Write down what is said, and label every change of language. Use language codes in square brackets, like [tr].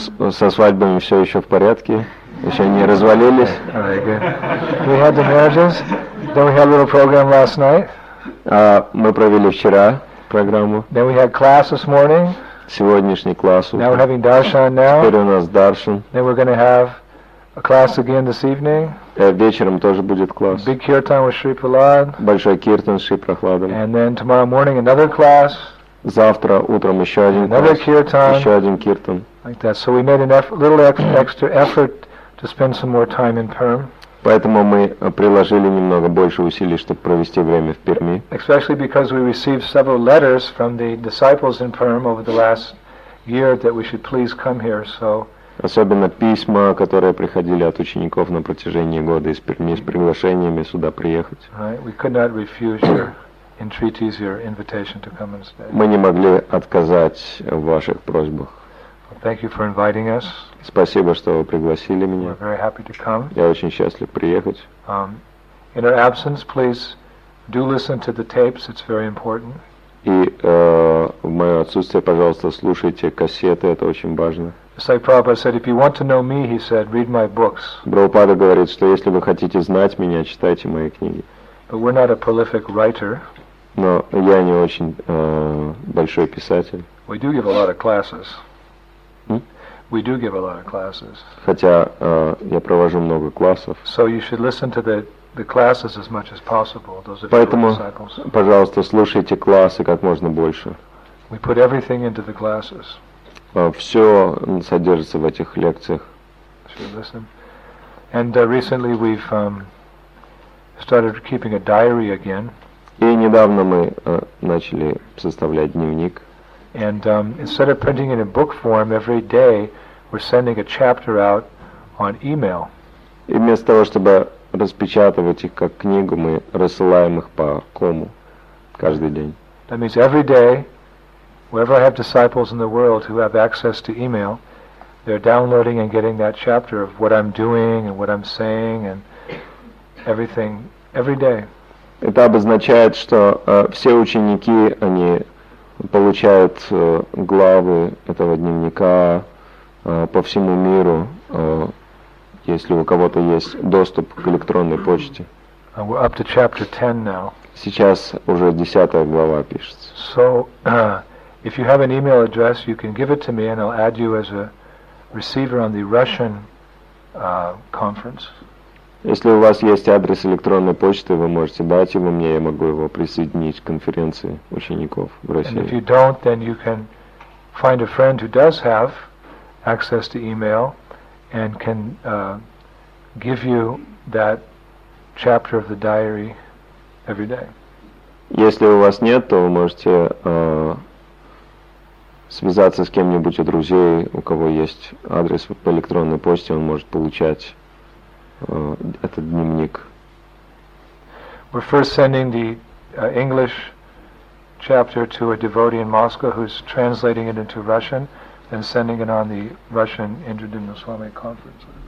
[ru] Со свадьбами все еще в порядке. Еще не развалились. [en] All right, good. We had the marriages. Then we had a little program last night. [ru] Мы провели вчера программу. [en] Then we had class this morning. [ru] Сегодняшний класс. [en] Now we're having darshan now. [ru] Теперь у нас даршан. [en] Then we're going to have a class again this evening. [ru] Вечером тоже будет класс. [en] Big kirtan with Shri Prahlad. [ru] Большой киртан с Шри Прохладом. [en] And then tomorrow morning another class. [ru] Завтра утром еще один [en] another [ru] класс. [en] Kirtan. [ru] Еще один киртан. [en] Like that. So we made an little extra effort to spend some more time in Perm. [ru] Поэтому мы приложили немного больше усилий, чтобы провести время в Перми. [en] Especially because we received several letters from the disciples in Perm over the last year that we should please come here. So [ru] особенно письма, которые приходили от учеников на протяжении года из Перми с приглашениями сюда приехать. [en] Right. We could not refuse your entreaties, your invitation to come and stay. [ru] Мы не могли отказать в ваших просьбах. [en] Thank you for inviting us. [ru] Спасибо, что вы пригласили меня. [en] We're very happy to come. [ru] Я очень счастлив приехать. [en] In our absence, please do listen to the tapes. It's very important. [ru] И в моё отсутствие, пожалуйста, слушайте кассеты. Это очень важно. [en] It's like Prabhupada said, if you want to know me, he said, read my books. [ru] Прабхупада говорит, что если вы хотите знать меня, читайте мои книги. [en] But we're not a prolific writer. [ru] Но я не очень большой писатель. [en] We do give a lot of classes. We do give a lot of classes. [ru] Хотя я провожу много классов. [en] So you should listen to the classes as much as possible. Those [ru] Поэтому, [en] disciples. [ru] Пожалуйста, слушайте классы как можно больше. [en] We put everything into the classes. [ru] Все содержится в этих лекциях. [en] Should listen. And recently we've started keeping a diary again. [ru] И недавно мы начали составлять дневник. [en] And instead of printing it in book form every day, we're sending a chapter out on email. [ru] И вместо того, чтобы распечатывать их как книгу, мы рассылаем их по кому каждый день. [en] That means every day, wherever I have disciples in the world who have access to email, they're downloading and getting that chapter of what I'm doing and what I'm saying and everything every day. [ru] Это обозначает, что все ученики, они получают главы этого дневника по всему миру, если у кого-то есть доступ к электронной почте. [en] And we're up to chapter 10 now. [ru] Сейчас уже 10 глава пишется. [en] So, if you have an email address, you can give it to me and I'll add you as a receiver on the Russian conference. [ru] Если у вас есть адрес электронной почты, вы можете дать его мне, я могу его присоединить к конференции учеников в России. [en] And if you don't, then you can find a friend who does have access to email and can give you that chapter of the diary every day. [ru] Если у вас нет, то вы можете связаться с кем-нибудь из друзей, у кого есть адрес по электронной почте, он может получать этот дневник. [en] We're first sending the English chapter to a devotee in Moscow who's translating it into Russian and sending it on the Russian Indra-Dhimna Swami conference.